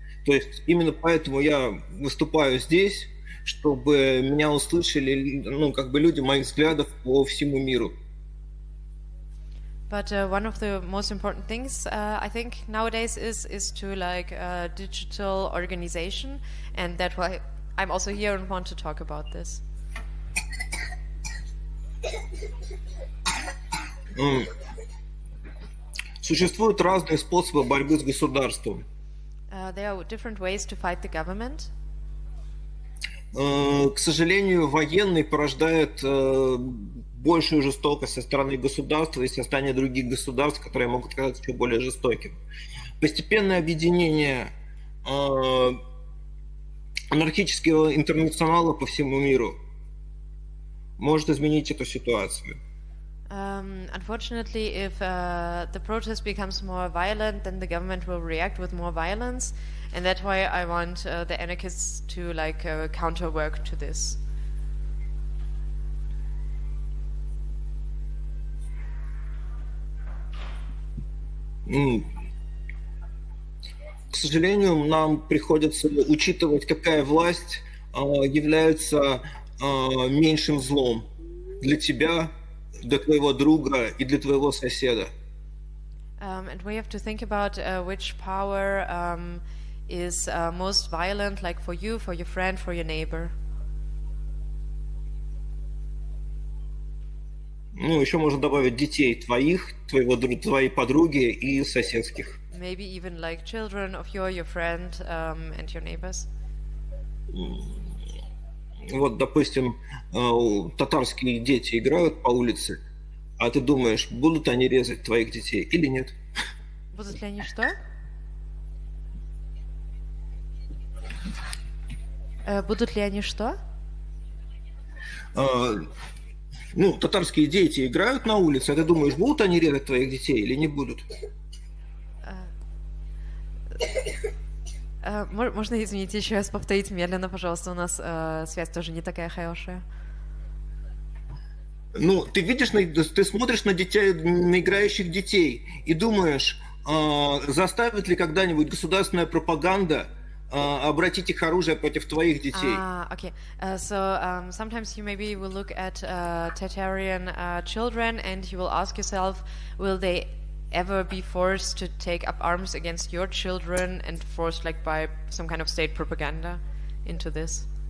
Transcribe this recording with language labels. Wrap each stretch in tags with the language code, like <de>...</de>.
<ru>То есть именно поэтому я выступаю здесь, чтобы меня услышали, ну, как бы люди моих взглядов по всему миру.</ru> <en>But one of the most important things I think nowadays is to like digital organization, and that's why I'm also here and want to talk about this.</en> <ru>Существуют разные способы борьбы с государством.</ru> <en>There are different ways to fight the government.</en> <ru>К сожалению, военный порождает большую жестокость со стороны государства и со стороны других государств, которые могут казаться еще более жестокими. Постепенное объединение анархического интернационала по всему миру может изменить эту ситуацию.</ru> <en>Unfortunately, if the protest becomes more violent, then the government will react with more violence, and that's why I want the anarchists to like counterwork to this. Mm.</en> <ru>к сожалению, нам приходится учитывать, какая власть является меньшим злом для тебя, для твоего друга и для твоего соседа.</ru> <en>And we have to think about which power is most violent, like for you, for your friend, for your neighbor.</en> <ru>Ну, еще можно добавить детей твоих, твоего твоей подруги и соседских.</ru> <en>Maybe even like children of your friend and your neighbors.</en> <ru>Вот, допустим, татарские дети играют по улице, а ты думаешь, будут они резать твоих детей или нет? Будут ли они что? Будут ли они что? Ну, татарские дети играют на улице, а ты думаешь, будут они резать твоих детей или не будут? Можно, извините, еще раз повторить медленно, пожалуйста, у нас связь тоже не такая хорошая. Ну, ты видишь, ты смотришь на детей, на играющих детей, и думаешь, заставит ли когда-нибудь государственная пропаганда обратить их оружие против твоих детей?</ru> <en>Okay. So sometimes you maybe will look at Tatarian children and you will ask yourself, will they ever be forced to take up arms against your children and forced like by some kind of state propaganda into this?</en>